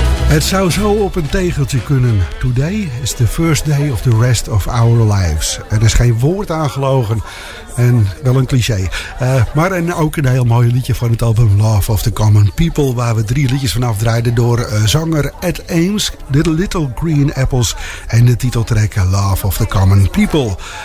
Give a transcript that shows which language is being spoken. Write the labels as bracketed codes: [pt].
[nl] Het zou zo op een tegeltje kunnen. [en] Today is the first day of the rest of our lives. [nl] Er is geen woord aangelogen. En wel een cliché. Maar ook een heel mooi liedje van het album Love of the Common People, waar we drie liedjes vanaf draaiden door zanger Ed Ames, The Little Green Apples en de titeltrack Love of the Common People.